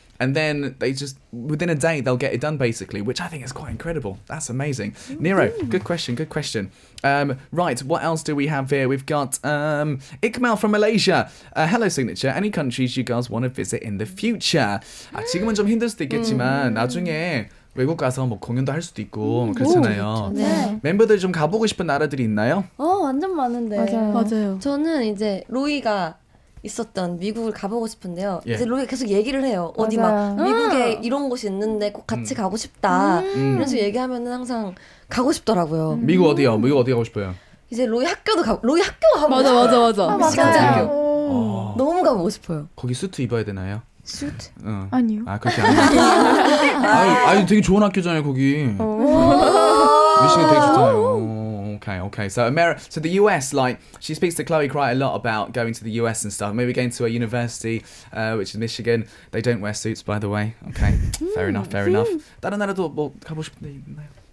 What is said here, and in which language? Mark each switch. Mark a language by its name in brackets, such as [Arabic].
[English] And then they just, within a day, they'll get it done, basically, which I think is quite incredible. That's amazing. Nero, good question, good question. Right, what else do we have here? We've got Ikmal from Malaysia. Hello, Signature. Any countries you guys want to visit in the future? [Korean] 아, 지금은 좀 힘들 수도 있겠지만 나중에 외국 가서 뭐 공연도 할 수도 있고 그렇잖아요. 네. 멤버들 좀 가보고 싶은 나라들이 있나요? 완전 많은데. 맞아요. 저는 이제 로이가 있었던 미국을 가보고 싶은데요. 예. 이제 로이가 계속 얘기를 해요. 어디 맞아요. 막 미국에 이런 곳이 있는데 꼭 같이 가고 싶다. 그래서 얘기하면은 항상 가고 싶더라고요. 미국 어디요? 미국 어디 가고 싶어요? 이제 로이 학교도 가고 로이 학교 가고 싶어요. 맞아. 미시간대 학교. 너무 가보고 싶어요. 거기 수트 입어야 되나요? 수트? 아니요. 아, 그렇게 아니에요. 아니, 되게 좋은 학교잖아요, 거기. 미시간 되게 좋잖아요. Okay. [English] So the US, like, she speaks to Chloe quite a lot about going to the US and stuff. Maybe going to a university, which is Michigan. They don't wear suits, by the way. Okay, fair enough. [Korean] 다른 나라도 뭐 가고 싶은데 있나요?